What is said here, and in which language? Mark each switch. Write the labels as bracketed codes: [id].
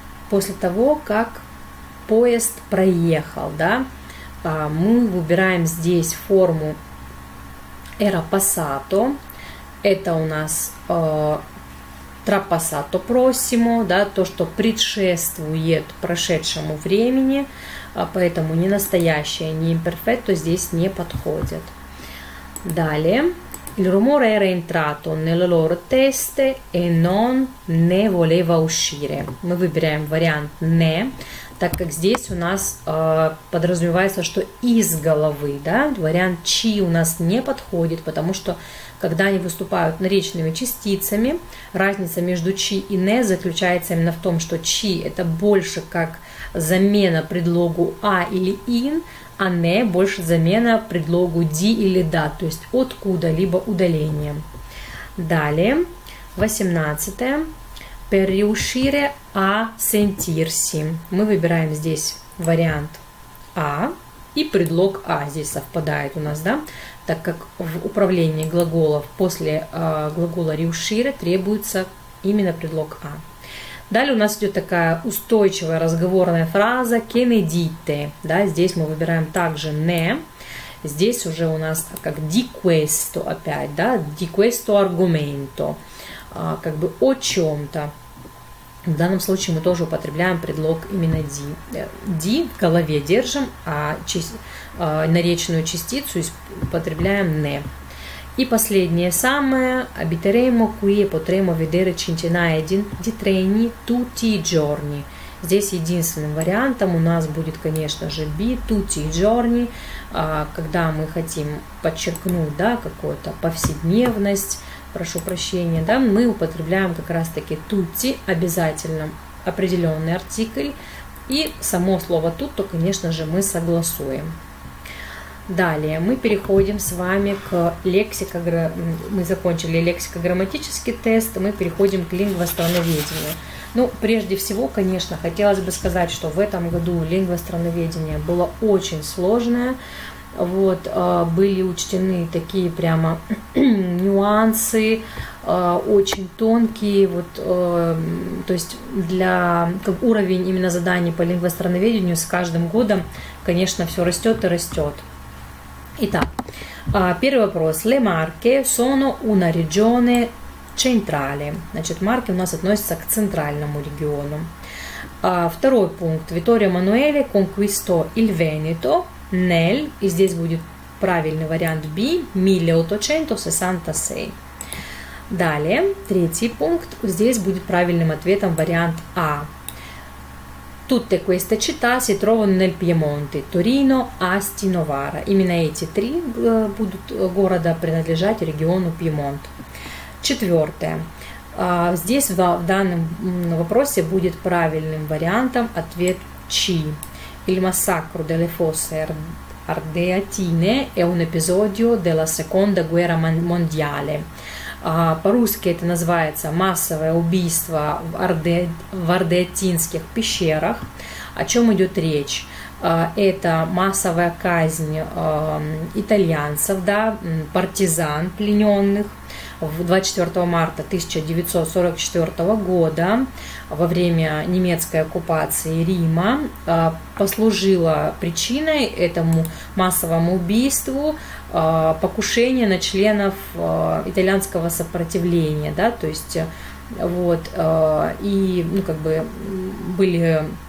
[ru] После того, как поезд проехал, да, мы выбираем здесь форму era passato, это у нас trapassato prossimo, да, то, что предшествует прошедшему времени, поэтому ни настоящее, ни imperfetto здесь не подходит. [it] Далее, il rumore era entrato nelle loro teste e non ne voleva uscire. [ru] Мы выбираем вариант «не», так как здесь у нас подразумевается, что из головы, да, вариант «чи» у нас не подходит, потому что, когда они выступают наречными частицами, разница между «чи» и «не» заключается именно в том, что «чи» – это больше как замена предлогу «а» или «ин», а «не» – больше замена предлогу «ди» или «да», то есть «откуда», либо «удаление». Далее, 18-е. [it] Per riuscire a sentirsi. [ru] Мы выбираем здесь вариант «а», и предлог «а» здесь совпадает у нас, да? Так как в управлении глаголов после глагола «riuscire» требуется именно предлог «а». Далее у нас идет такая устойчивая разговорная фраза [it] «che ne dite», [ru] да? Здесь мы выбираем также «не». Здесь уже у нас как [it] «di questo» [ru] опять, да? [it] «Di questo argomento». [ru] Как бы о чем-то. В данном случае мы тоже употребляем предлог именно «ди». «Ди» в голове держим, а наречную частицу употребляем «не». И последнее самое. [it] «Abiteremo qui potremo vedere centinaia di treni tutti i giorni». [ru] Здесь единственным вариантом у нас будет, конечно же, «би», «тути» и «джорни», когда мы хотим подчеркнуть, да, какую-то повседневность, прошу прощения, да, мы употребляем как раз-таки «тути», обязательно определенный артикль, и само слово «тутто», конечно же, мы согласуем. Далее мы переходим с вами к мы закончили лексико-грамматический тест, мы переходим к лингвостроноведению. Ну, прежде всего, конечно, хотелось бы сказать, что в этом году лингвостроноведение было очень сложное. Вот, были учтены такие прямо нюансы, очень тонкие. Вот, то есть для как уровень именно заданий по лингвостроноведению с каждым годом, конечно, все растет и растет. Итак, первый вопрос. [it] Le Marche sono una regione centrale. [ru] Значит, Марки у нас относятся к центральному региону. Второй пункт. [it] Vittorio Emanuele conquistò il Veneto nel, [ru] и здесь будет правильный вариант B, [it] 1866. [ru] Далее, третий пункт. Здесь будет правильным ответом вариант A. [it] Tutte queste città si trovano nel Piемонте, Торино, Асти, Новара. [ru] Именно эти три будут города принадлежать региону Пьемонт. Четвертое. Здесь в данном вопросе будет правильным вариантом ответ «чи». [it] Il massacro delle fosse ardeatine è un episodio della seconda guerra mondiale. [ru] По-русски это называется «массовое убийство в ардеатинских пещерах». О чем идет речь? Это массовая казнь итальянцев, да, партизан плененных 24 марта 1944 года во время немецкой оккупации Рима, послужило причиной этому массовому убийству покушение на членов итальянского сопротивления, да, то есть вот, и, ну, как бы были